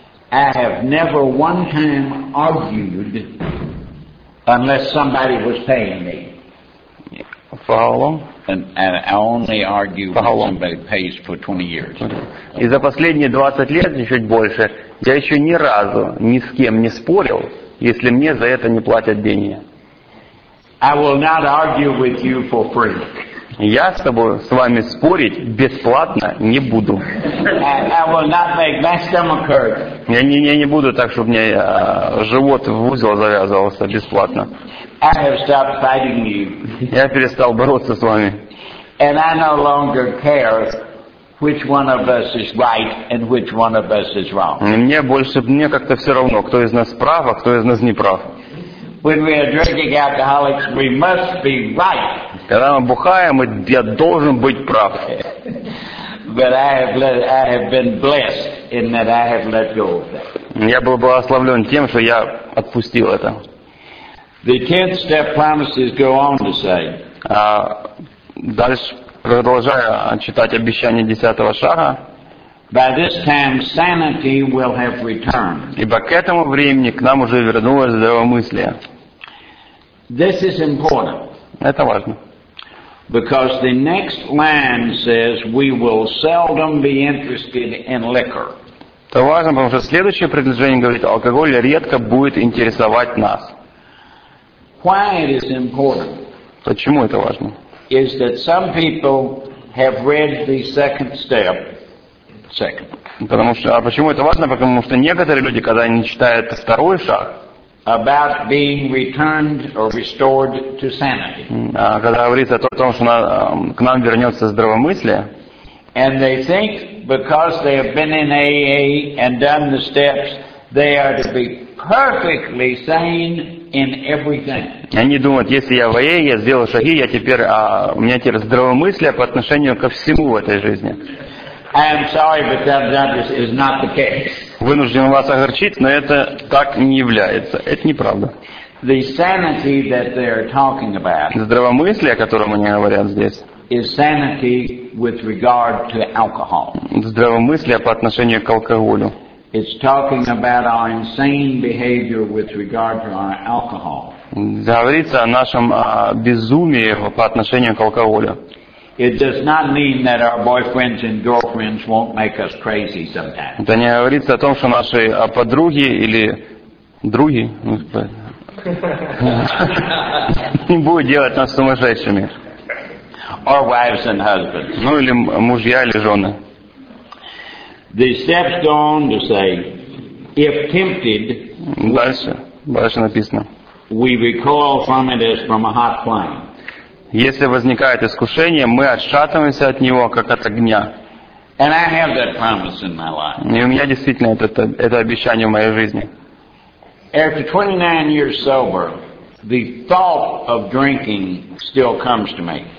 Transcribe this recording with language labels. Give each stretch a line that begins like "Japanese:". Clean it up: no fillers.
English: I have never one time argued unless somebody was paying me. For how long? And I only argue when somebody pays for 20 years.
Russian: И за последние 20 лет, чуть больше, я еще ни разу ни с кем не спорил, если мне за это не платят деньги.
English: I will not argue with you for free.
Russian: Я с тобой, с вами спорить бесплатно не буду.
English: I will not make my stomach hurt.
Russian: Я не буду так, чтобы мне живот в узел завязывался бесплатно.
English: I have stopped fighting you.
Russian: Я перестал бороться с вами.
English: And I no longer care which one of us is right and which one of us is wrong.
Russian: Мне как-то все равно, кто из нас прав, а кто из нас не прав.
English: When we are drinking alcoholics, we must be right.
Russian: Когда мы бухаем, я должен быть прав.
English: But I have been blessed in that I have let go of that.
Russian: Я был благословлен тем, что я отпустил это.
English: The tenth step promises go on to say.
Russian: Дальше продолжая читать обещание десятого шага.
English: By this time, sanity will have returned.
Russian: Ибо к этому времени к нам уже вернулось здравомыслие.
English: This is important.
Russian: Это важно.
English: Because the next line says we will seldom be interested in liquor.
Russian: Это важно, потому что следующее предложение говорит, алкоголь редко будет интересовать нас.
English: Why it is important?
Russian: Почему это важно?
English: Is that some people have read the second step? Second.
Russian: Потому что, а почему это важно? Потому что некоторые люди, когда они читают второй шаг,
English: about being returned or restored to sanity.
Russian: Когда говорится о том, что к нам вернется здравомыслие.
English: And they think because they have been in AA and done the steps, they are to be perfectly sane in everything.
Russian: Они думают, если я в АА, я сделал шаги, я теперь, у меня теперь здравомыслие по отношению ко всему в этой жизни.
English: I am sorry, but that is not the case.
Russian: Вынужден вас огорчить, но это так не является. Это неправда.
English: The sanity that they are talking about.
Russian: Здравомыслие, о котором они говорят здесь.
English: Is sanity with regard to alcohol.
Russian: Здравомыслие по отношению к алкоголю.
English: It's talking about our insane behavior with regard to our alcohol.
Russian: Говорится о нашем безумии по отношению к алкоголю.
English: It does not mean that our boyfriends and girlfriends won't make us crazy sometimes.
Russian: Это не говорится о том, что наши подруги или други не будут делать нас сумасшедшими.
English: Or wives and husbands.
Russian: Ну или мужья или жены.
English: The steps go on to say, if tempted.
Russian: Дальше написано.
English: We recoil from it as from a hot flame.
Russian: Если возникает искушение, мы отшатываемся от него как от огня.
English: And I have that promise in my life.
Russian: И у меня действительно это обещание в моей жизни.
English: After 29 years sober, the thought of drinking still comes to me.